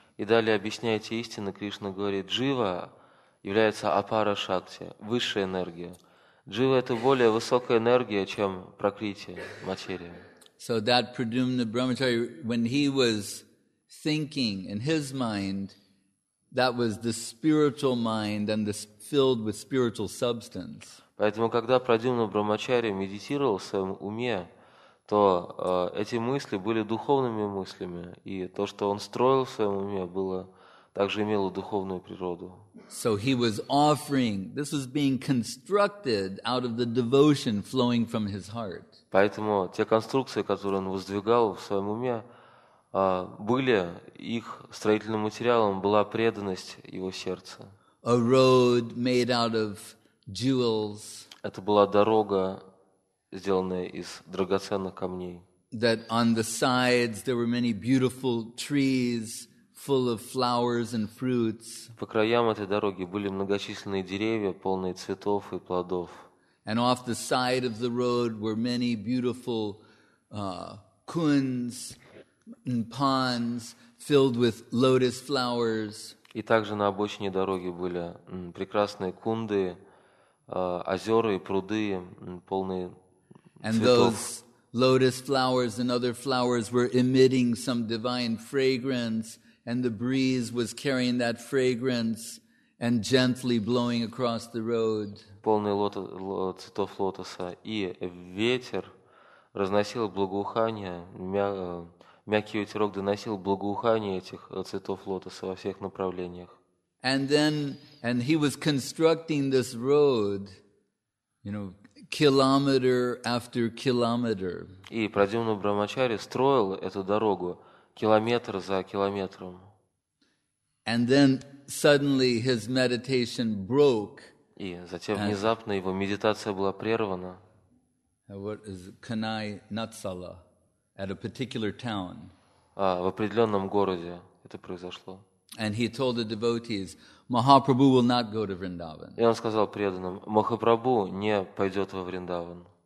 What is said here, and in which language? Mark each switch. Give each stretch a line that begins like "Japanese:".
Russian: И далее объясняете истину, Кришна говорит, джива является апара шакти, высшая энергия. Джива – это более высокая энергия, чем пракрити, материя.
English: So that Pradyumna Brahmacharya, when he was thinking in his mind, that was the spiritual mind and the filled with spiritual substance.
Russian: Поэтому, когда Прадюмна Брахмачарья медитировал в своем уме, то эти мысли были духовными мыслями, и то, что он строил в своем уме, было также имело духовную природу.
English: So he was offering. This was being constructed out of the devotion flowing from his heart.
Russian: Поэтому те конструкции, которые он воздвигал в своем уме, были их строительным материалом была преданность его сердца.
English: A road made out of jewels.
Russian: Это была дорога, сделанная из драгоценных камней.
English: That on the sides there were many beautiful trees full of flowers and fruits.
Russian: По краям этой дороги были многочисленные деревья, полные цветов и плодов.
English: And off the side of the road were many beautiful kuns and ponds filled with lotus flowers.
Russian: И также на обочине дороги были прекрасные кунды, озёра и пруды, полные цветов.
English: And those lotus flowers and other flowers were emitting some divine fragrance, and the breeze was carrying that fragrance and gently blowing across the road.
Russian: Полные цветов лотоса и ветер разносил благоухание, мягкий ветерок доносил благоухание этих цветов лотоса во всех направлениях.
English: And he was constructing this road, you know, kilometer after kilometer.
Russian: И Прадюмна Брахмачарья строил эту дорогу километр за километром.
English: And then suddenly his meditation broke.
Russian: И затем внезапно его медитация была прервана.
English: What is Kanai Natsala? At a particular town.
Russian: А, в определенном городе это произошло.
English: And he told the devotees, Mahaprabhu will not go to Vrindavan.
Russian: И он сказал преданным, Махапрабху не пойдет во Вриндаван.